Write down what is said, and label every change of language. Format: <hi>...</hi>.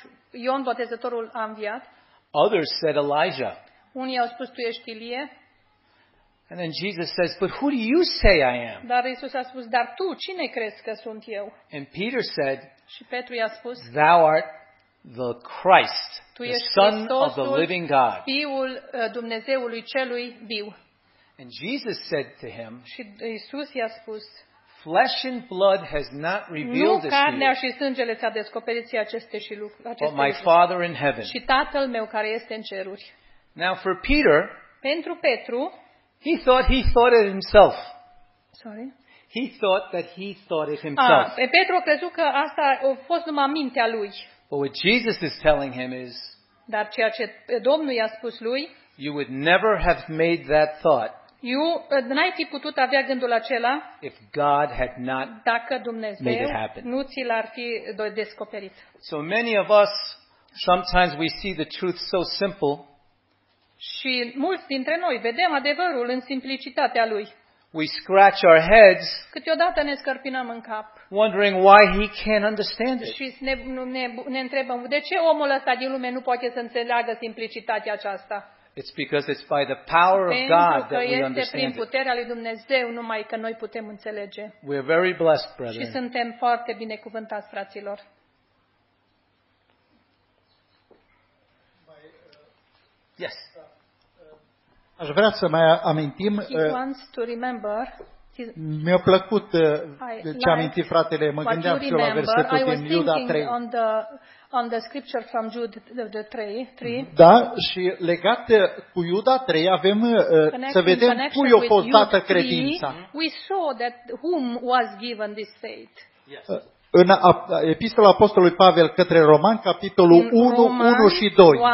<ro>Ion Botezătorul a înviat.</ro> <en>Others said Elijah.</en> <ro>Unii au spus tu ești Ilie.</ro> <en>And then Jesus says, "But who do you say I am?"</en> <ro>Dar Iisus a spus, "Dar tu cine crezi că sunt eu?"</ro> <en>And Peter said,</en> <ro>și Petru i-a spus,</ro> <en>"Thou art the Christ,</en> <ro>tu</ro> <en>the</en> <ro>ești</ro> <en>Son</en> <ro>Christosul,</ro> <en>of the living God."</en> <ro>Fiul Dumnezeului celui viu.</ro> <en>And Jesus said to him,</en> <ro>și Iisus i-a spus,</ro> <en>flesh and blood has not revealed this to you.</en> <ro>Nu carnea și sângele ți-a descoperit aceste lucruri.</ro> <en>But my Father in heaven.</en> <ro>Și Tatăl meu care este în ceruri.</ro> <en>Now for Peter,</en> <ro>pentru Petru,</ro> <en>he thought it himself. Sorry. He thought that he thought it himself.</en> <ro>Ah, Petru a crezut că asta a fost numai mintea lui.</ro> <en>But what Jesus is telling him is,</en> <ro>dar ceea ce Domnul i-a spus lui,</ro> <en>you would never have made that thought.</en> <ro>Eu n-ai fi putut avea gândul acela</ro> <en>if God had not,</en> <ro>dacă Dumnezeu nu ți l-ar fi descoperit.</ro> <en>So many of us, sometimes we see the truth so simple.</en> <ro>Și mulți dintre noi vedem adevărul în simplicitatea lui.</ro> <en>We scratch our heads.</en> <ro>Câteodată ne scărpinăm în cap.</ro> <en>Wondering why he can't understand it.</en> <ro>Și ne întrebăm de ce omul ăsta din lume nu poate să înțeleagă simplicitatea aceasta.</ro> <en>It's because it's by the power of God that we understand.</en> <ro>Pentru că este prin puterea lui Dumnezeu numai că noi putem înțelege.</ro> <en>We are very blessed, brethren.</en> <ro>Și suntem foarte binecuvântați, fraților.</ro> <en>Yes.</en> <ro>Aș vrea să mai amintim.</ro> <en>He wants to remember.</en> <ro>Mi-a plăcut ce aminti fratele. Mă gândeam și eu la versetul din Iuda 3.</ro> <en>On the scripture from Jude the 3.</en> <ro>Da, și legat cu Iuda 3 avem să vedem cui a fost dată credința.</ro> <en>We saw that whom was given this faith. Yes.</en> <ro>În epistola apostolului Pavel către Romani capitolul 1, 1 și 2.</ro>